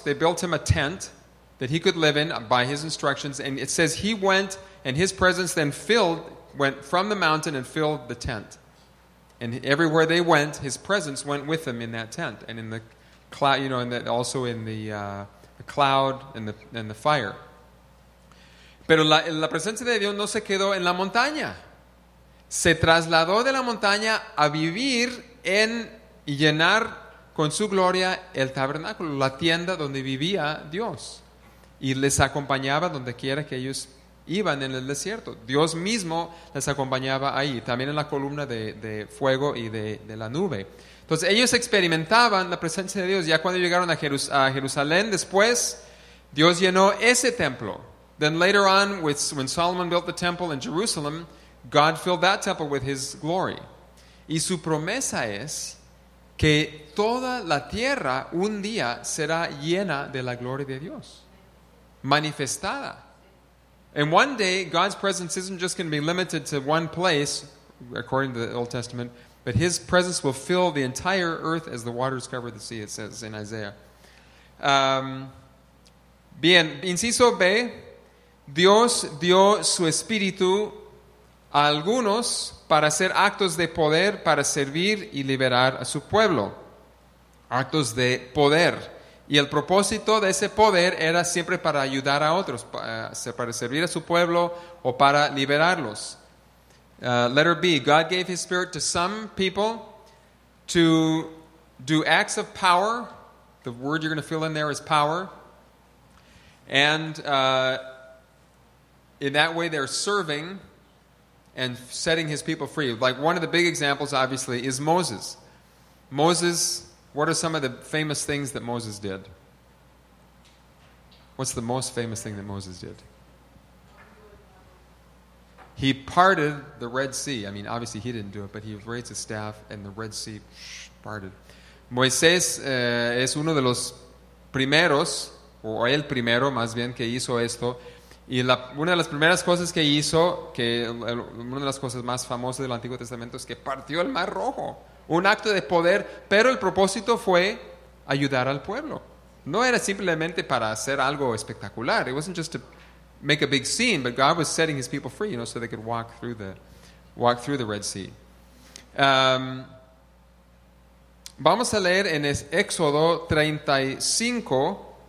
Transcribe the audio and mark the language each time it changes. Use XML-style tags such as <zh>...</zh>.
<en>They built him a tent that he could live in by his instructions. And it says he went and his presence then went from the mountain and filled the tent. And everywhere they went, his presence went with them in that tent and in the cloud, you know, and that also in the cloud and the fire.</en> <es>Pero la presencia de Dios no se quedó en la montaña. Se trasladó de la montaña a vivir en y llenar con su gloria el tabernáculo, la tienda donde vivía Dios. Y les acompañaba donde quiera que ellos iban en el desierto. Dios mismo les acompañaba ahí, también en la columna de fuego y de la nube. Entonces ellos experimentaban la presencia de Dios. Ya cuando llegaron a Jerusalén, después Dios llenó ese templo.</es> <en>Then later on, when Solomon built the temple in Jerusalem, God filled that temple with his glory.</en> <es>Y su promesa es que toda la tierra un día será llena de la gloria de Dios, manifestada.</es> <en>And one day, God's presence isn't just going to be limited to one place, according to the Old Testament, but his presence will fill the entire earth as the waters cover the sea, it says in Isaiah.</en> <es>Bien, inciso B, Dios dio su espíritu a algunos para hacer actos de poder, para servir y liberar a su pueblo. Actos de poder. Y el propósito de ese poder era siempre para ayudar a otros, para servir a su pueblo o para liberarlos.</es> <en>Letter B, God gave his spirit to some people to do acts of power. The word you're going to fill in there is power. And in that way they're serving and setting his people free. Like one of the big examples, obviously, is Moses. Moses, what are some of the famous things that Moses did? What's the most famous thing that Moses did? He parted the Red Sea. I mean, obviously he didn't do it, but he raised his staff and the Red Sea parted.</en> <es>Moisés es uno de los primeros, o el primero más bien, que hizo esto. Y una de las primeras cosas que hizo, una de las cosas más famosas del Antiguo Testamento es que partió el Mar Rojo. Un acto de poder, pero el propósito fue ayudar al pueblo. No era simplemente para hacer algo espectacular.</es> <en>It wasn't just to make a big scene, but God was setting his people free, you know, so they could walk through the Red Sea.</en> <es>Vamos a leer en Éxodo 35.</es>